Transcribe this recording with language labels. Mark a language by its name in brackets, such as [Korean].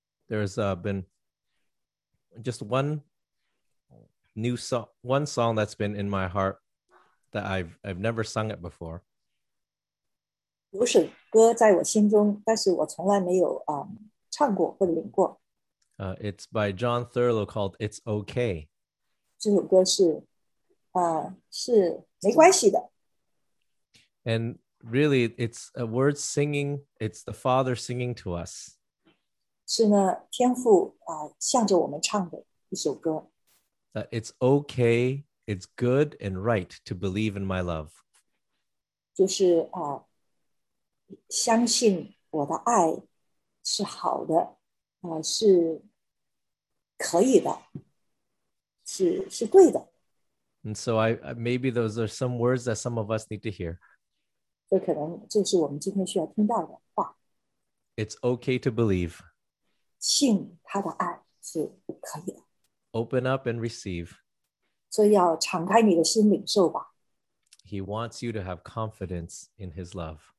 [English] There's been just one song that's been in my heart that I've never sung it before. [Chinese] 有首歌在我心中，但是我从来没有 唱过或领过。 [English] It's by John Thurlow called "It's Okay." [Chinese] 这首歌是 是没关系的。 [English] And really, it's a word singing. It's the Father singing to us. [Chinese] 是呢，天父 向着我们唱的一首歌。 [English] It's okay. It's good and right to believe in my love. [Chinese] 就是 相信我的爱是好的， 是可以的，是对的。 [English] And so maybe those are some words that some of us need to hear. [Chinese] 这可能就是我们今天需要听到的话。 [English] It's okay to believe. [Chinese] 信他的爱是可以的。 [English] Open up and receive. [Chinese] 所以要敞开你的心领受吧。 [English] He wants you to have confidence in his love.